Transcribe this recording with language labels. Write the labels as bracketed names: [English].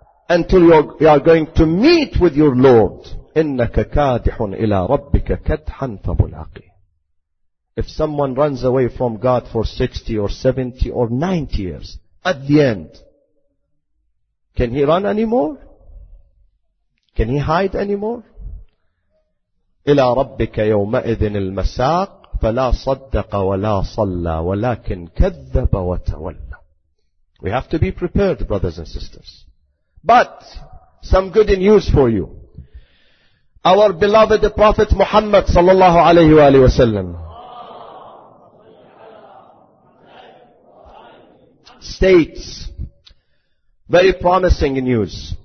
[English] Until you are going to meet with your Lord. [Arabic] إِنَّكَ كَادِحٌ إِلَىٰ رَبِّكَ كَدْحًا فَمُلَاقِي [English] If someone runs away from God for 60 or 70 or 90 years, at the end, can he run anymore? Can he hide anymore? [Arabic] إِلَىٰ رَبِّكَ يَوْمَئِذٍ الْمَسَاقِ فَلَا صَدَّقَ وَلَا صَلَّى وَلَكِنْ كَذَّبَ وَتَوَلَّى [English] We have to be prepared, brothers and sisters. But, some good news for you. Our beloved Prophet Muhammad sallallahu alayhi wa sallam states very promising news.